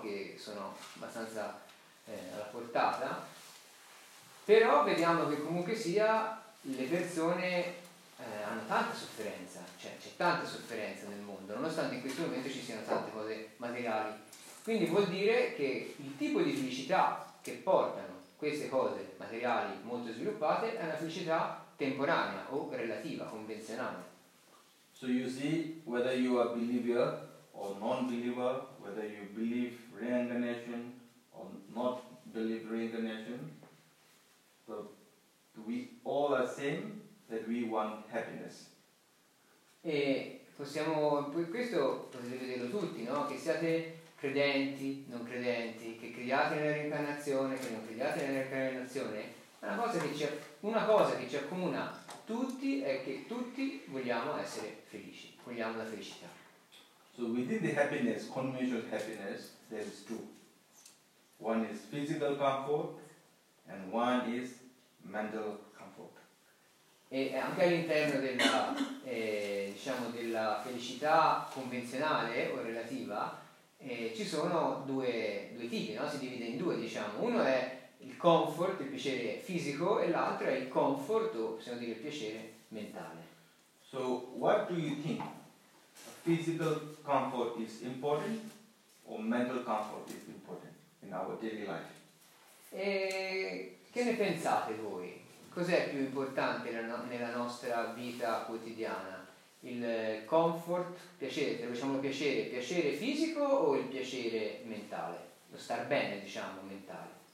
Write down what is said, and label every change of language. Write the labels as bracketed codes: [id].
[it] Che sono abbastanza alla portata, però vediamo che comunque sia le persone hanno tanta sofferenza, cioè c'è tanta sofferenza nel mondo, nonostante in questo momento ci siano tante cose materiali. Quindi vuol dire che il tipo di felicità che portano queste cose materiali molto sviluppate è una felicità temporanea o relativa, convenzionale. [en] So you see, whether you are believer or non-believer, whether you believe reincarnation or not believe reincarnation, so we all are saying that we want happiness. [it] E possiamo, questo potete vederlo tutti, no? Che siate credenti, non credenti, che crediate nella reincarnazione, che non crediate nella reincarnazione, una cosa che ci accomuna tutti è che tutti vogliamo essere felici, vogliamo la felicità. [en] So within the happiness, conventional happiness, there is two. One is physical comfort and one is mental comfort. [it] E anche all'interno della, diciamo, della felicità convenzionale o relativa, ci sono due tipi, no? Si divide in due, diciamo. Uno è il comfort, il piacere fisico, e l'altro è il comfort, o possiamo dire il piacere mentale. [en] So what do you think? Physical comfort is important or mental comfort is important in our daily life? [it] E che ne pensate voi? Cos'è più importante nella nostra vita quotidiana? Il comfort, piacere, diciamo piacere, piacere fisico o il piacere mentale? Lo star bene, diciamo, mentale.